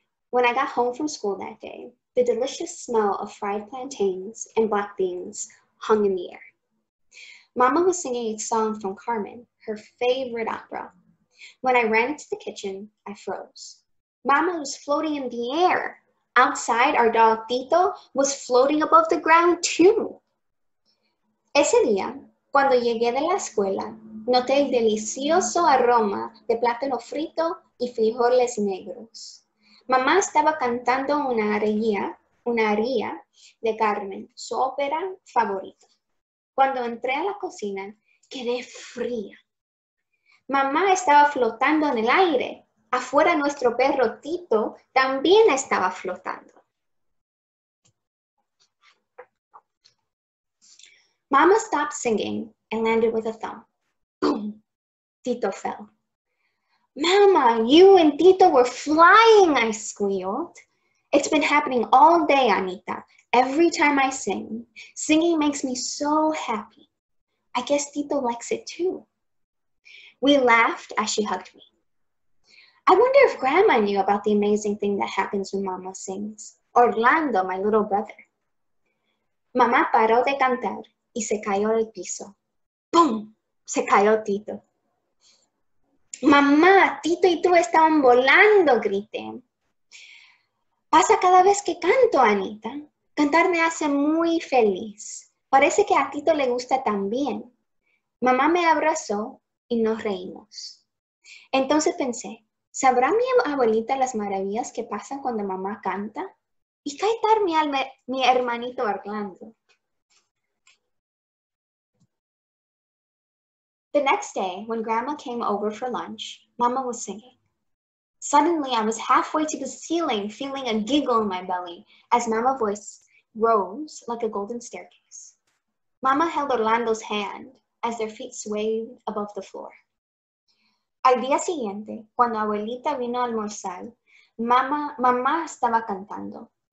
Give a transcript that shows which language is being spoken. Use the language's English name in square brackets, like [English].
[English] When I got home from school that day, the delicious smell of fried plantains and black beans hung in the air. Mama was singing a song from Carmen, her favorite opera. When I ran into the kitchen, I froze. Mama was floating in the air. Outside, our dog Tito was floating above the ground too. [Spanish] Ese día, cuando llegué de la escuela, noté el delicioso aroma de plátano frito y frijoles negros. Mamá estaba cantando una aria de Carmen, su ópera favorita. Cuando entré a la cocina, quedé fría. Mamá estaba flotando en el aire. Afuera nuestro perro Tito también estaba flotando. [English] Mama stopped singing and landed with a thump. Tito fell. Mama, you and Tito were flying, I squealed. It's been happening all day, Anita. Every time I sing, singing makes me so happy. I guess Tito likes it too. We laughed as she hugged me. I wonder if Grandma knew about the amazing thing that happens when Mama sings. Orlando, my little brother. [Spanish] Mama paró de cantar y se cayó al piso. Boom! Se cayó Tito. Mamá, Tito y tú estaban volando, grité. Pasa cada vez que canto, Anita. Cantar me hace muy feliz. Parece que a Tito le gusta también. Mamá me abrazó y nos reímos. Entonces pensé, ¿sabrá mi abuelita las maravillas que pasan cuando mamá canta? ¿Y qué tal mi hermanito Orlando? [English] The next day, when Grandma came over for lunch, Mama was singing. Suddenly, I was halfway to the ceiling, feeling a giggle in my belly as Mama's voice rose like a golden staircase. Mama held Orlando's hand as their feet swayed above the floor. [Spanish] Al día siguiente, cuando abuelita vino a almorzar, mamá estaba cantando.